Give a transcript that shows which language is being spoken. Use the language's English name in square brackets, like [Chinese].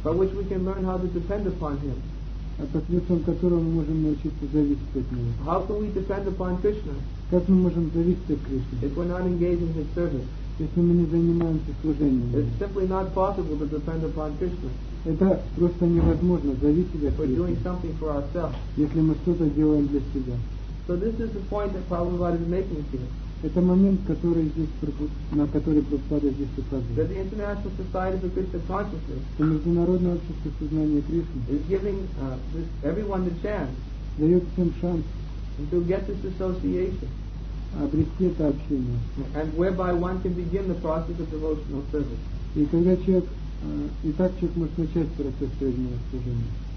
[English] By which we can learn how to depend upon him. [Russian] А посредством которого мы можем научиться зависеть от него. [English] How can we depend upon Krishna? [Russian] Как мы можем зависеть от Кришны? [English] If we're not engaged in his service. [Russian] Если мы не занимаемся служением. [English] It's simply not possible to depend upon Krishna. [Russian] Это просто невозможно зависеть от Кришны. [English] We're doing something for ourselves. [Russian] Если мы что-то делаем для себя. [English] So this is the point that Prabhupada is making here. [Russian] Это момент, который здесь, на который Прабхупада здесь указывает. [English] That the International Society for Krishna Consciousness, [Russian] что международное общество сознания Кришны, [English] is giving this, everyone the chance, [Russian] дает всем шанс, [English] to get this association, [Russian] обрести это общение, [English] and whereby one can begin the process of devotional service. [Russian] И когда человек, и так человек может начать процесс преданного служения.